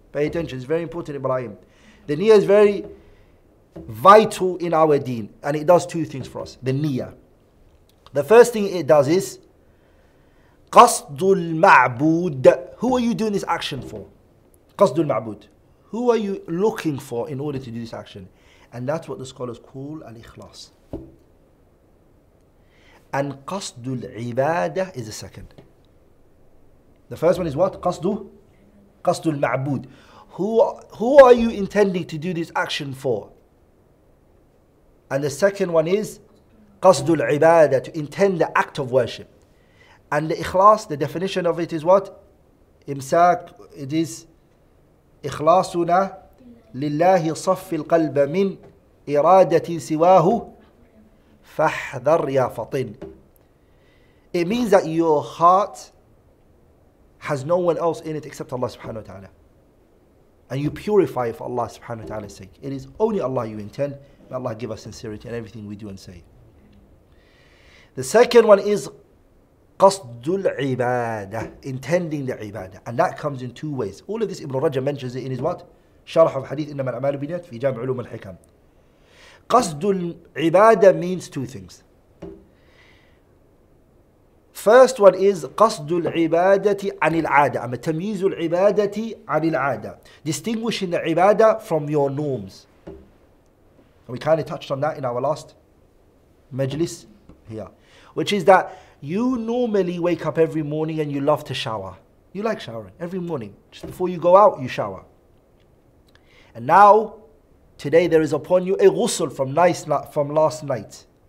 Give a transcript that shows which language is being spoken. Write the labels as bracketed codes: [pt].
[en] Pay attention, it's very important, Ibrahim. The niyyah is very vital in our deen, and it does two things for us, the niyyah. The first thing it does is, قَصْدُ الْمَعْبُودِ. Who are you doing this action for? قَصْدُ الْمَعْبُودِ. Who are you looking for in order to do this action? And that's what the scholars call al-ikhlas. And قصد العبادة is the second. The first one is what? قصد قصد المعبود. Who are you intending to do this action for? And the second one is قصد العبادة, to intend the act of worship. And the إخلاص, the definition of it is what? [ar] إمساك, [en] it is [ar] إخلاصنا لله صف القلب من إرادة سواه فاحذر يا فطن. [en] It means that your heart has no one else in it except Allah subhanahu wa ta'ala. And you purify for Allah subhanahu wa ta'ala's sake. It is only Allah you intend. May Allah give us sincerity in everything we do and say. The second one is قصد العبادة, intending the ibadah. And that comes in two ways. All of this Ibn Rajab mentions it in his what? [ar] شرح [en] of hadith [ar] إنما الأعمال بالنيات في جامع علوم الحكم. [en] قصد العبادة means two things. First one is [ar] قصد العبادة عن العادة. أما تمييز العبادة عن العادة. [en] Distinguishing the ibadah from your norms. And we kind of touched on that in our last majlis here. Which is that you normally wake up every morning and you love to shower. You like showering every morning. Just before you go out, you shower. And now, today there is upon you a ghusl from last night.